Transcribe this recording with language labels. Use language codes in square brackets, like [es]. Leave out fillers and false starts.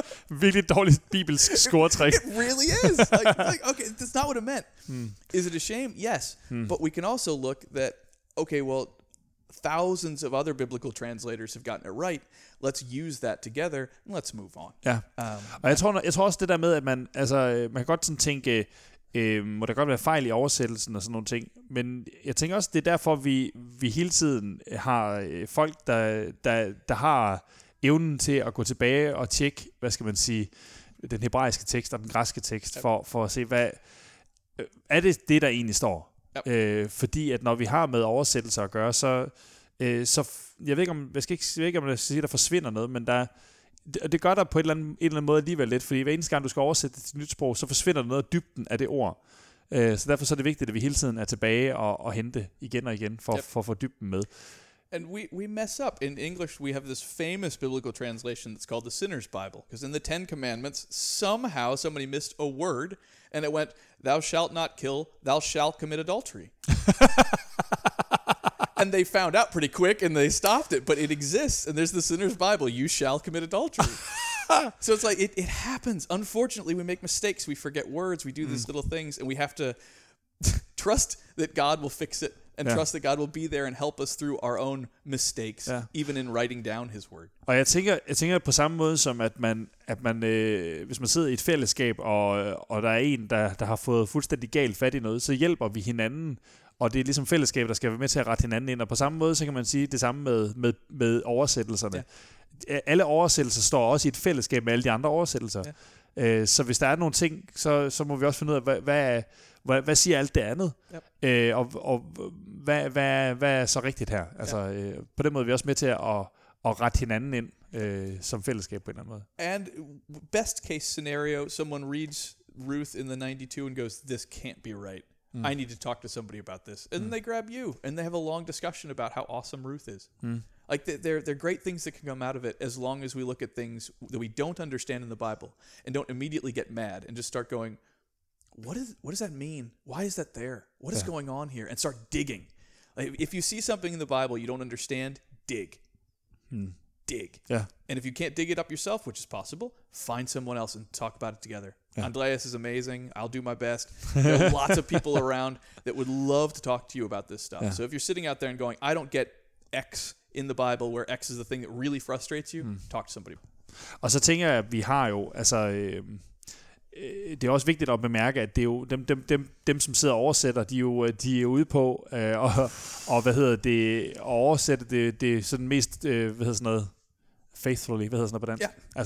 [en] Really [da] dårlig bibelsk scoretrick. [en] It really is. Like, okay, that's not what it meant. Hmm. Is it a shame? Yes. Hmm. But we can also look that, okay, well, thousands of other biblical translators have gotten it right. Let's use that together and let's move on. [da] Ja. Og jeg tror også det der med, at man, altså, man kan godt sådan tænke, må der godt være fejl i oversættelsen og sådan nogle ting, men jeg tænker også, det er derfor, vi hele tiden har folk, der har evnen til at gå tilbage og tjekke, hvad skal man sige, den hebraiske tekst og den græske tekst, for at se, hvad er det, der egentlig står? [en] Yep. [da] Fordi at når vi har med oversættelser at gøre, så jeg ved ikke om jeg skal sige, at der forsvinder noget, men det gør der på en eller anden måde alligevel lidt, fordi hver eneste gang du skal oversætte til nyt sprog, så forsvinder noget af dybden af det ord. Så derfor så er det vigtigt, at vi hele tiden er tilbage og hente igen og igen for at få dybden med. [en] And we mess up. In English, we have this famous biblical translation that's called the Sinner's Bible. Because in the Ten Commandments, somehow somebody missed a word, and it went, thou shalt not kill, thou shalt commit adultery. And they found out pretty quick, and they stopped it. But it exists, and there's the Sinner's Bible, you shall commit adultery. So it's like, it happens. Unfortunately, we make mistakes, we forget words, we do these little things, and we have to trust that God will fix it. And trust that God will be there and help us through our own mistakes, even in writing down his word. [da] Og jeg tænker på samme måde som at man hvis man sidder i et fællesskab, og der er en, der har fået fuldstændig galt fat i noget, så hjælper vi hinanden Og det er ligesom fællesskabet, der skal være med til at rette hinanden ind. Og på samme måde, så kan man sige det samme med oversættelserne. Ja. Alle oversættelser står også i et fællesskab med alle de andre oversættelser. Ja. Så hvis der er nogle ting, så må vi også finde ud af, hvad siger alt det andet? Ja. Og hvad er så rigtigt her? Altså, ja. På den måde er vi også med til at rette hinanden ind som fællesskab på en eller anden måde. [en] And best case scenario, someone reads Ruth in the 92 and goes, this can't be right. Mm. I need to talk to somebody about this. And then they grab you and they have a long discussion about how awesome Ruth is. Mm. Like there are great things that can come out of it as long as we look at things that we don't understand in the Bible and don't immediately get mad and just start going, what does that mean? Why is that there? What is going on here? And start digging. Like, if you see something in the Bible you don't understand, dig. Mm. Dig. Yeah. And if you can't dig it up yourself, which is possible, find someone else and talk about it together. Yeah. Andreas is amazing. I'll do my best. There are lots of people around that would love to talk to you about this stuff. Yeah. So if you're sitting out there and going, I don't get X in the Bible, where X is the thing that really frustrates you, talk to somebody. [da] Og så tænker jeg, at vi har jo, altså, det er også vigtigt at bemærke, at det er jo dem som sidder og oversætter, de er ude på, og hvad hedder det, at oversætte det sådan mest, hvad hedder sådan noget, [en] faithfully, [da] hvad hedder sådan noget på dansk?